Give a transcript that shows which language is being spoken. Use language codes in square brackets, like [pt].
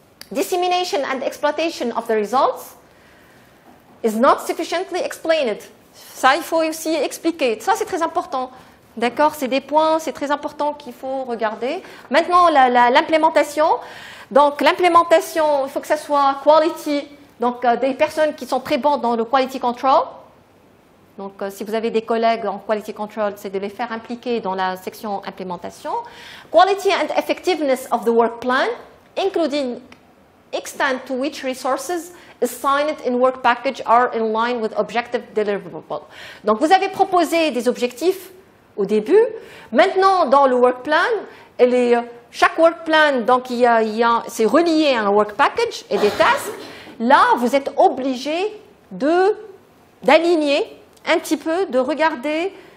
[en] Dissemination and exploitation of the results is not sufficiently explained. [fr] Ça, il faut aussi expliquer. Ça, c'est très important. D'accord, c'est des points, c'est très important qu'il faut regarder. Maintenant, l'implémentation. Donc, l'implémentation, il faut que ça soit quality. Donc, des personnes qui sont très bonnes dans le quality control. Donc, si vous avez des collègues en quality control, c'est de les faire impliquer dans la section implémentation. [en] Quality and effectiveness of the work plan, including extent to which resources assigned in work package are in line with objective deliverable. [fr] Donc, vous avez proposé des objectifs au début. Maintenant, dans le work plan, chaque work plan, donc c'est relié à un work package et des tasks. Là, vous êtes obligé d'aligner un petit peu, de regarder.